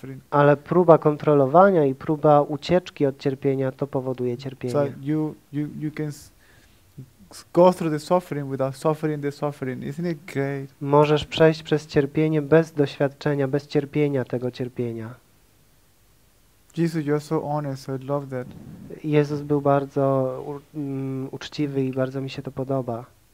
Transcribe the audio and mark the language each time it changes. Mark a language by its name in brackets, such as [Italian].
[Polish] Ale próba kontrolowania i próba ucieczki od cierpienia to powoduje cierpienie. [English] You can go through the suffering without suffering the suffering. Isn't it great? [Polish] Możesz przejść przez cierpienie bez doświadczenia, bez cierpienia tego cierpienia. [English] Jesus, you're so honest. I love that. [Polish] Jezus był bardzo uczciwy i bardzo mi się to podoba.